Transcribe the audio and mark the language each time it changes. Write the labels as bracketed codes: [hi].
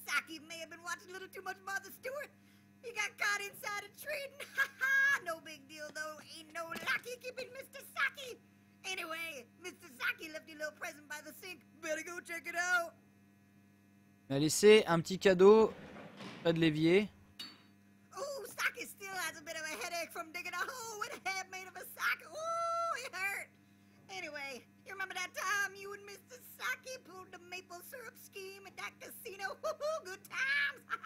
[en] Saki may have been watching a little too much Martha Stewart. He got caught inside a tree. Ha ha! No big deal though. Ain't no lucky keeping Mr. Saki. Anyway, Mr. Saki left a little present by the sink. Better go check it out. [fr] Il m'a laissé un petit cadeau près de l'évier. [en] Oh, Saki still has a bit of a headache from digging a hole with a head made of a sock. Ooh, it hurt. Anyway, you remember that time you and Mr. Saki pulled the maple syrup scheme at that casino? Woohoo, good times!